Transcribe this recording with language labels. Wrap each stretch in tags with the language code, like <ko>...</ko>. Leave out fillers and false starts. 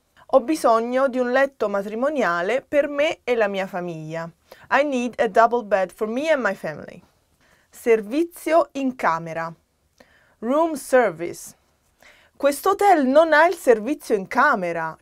<it>Ho bisogno di un letto matrimoniale per me e la mia famiglia.</it> <en>I need a double bed for me and my family.</en> <it>Servizio in camera. Room service. Questo hotel non ha il servizio in camera.</it>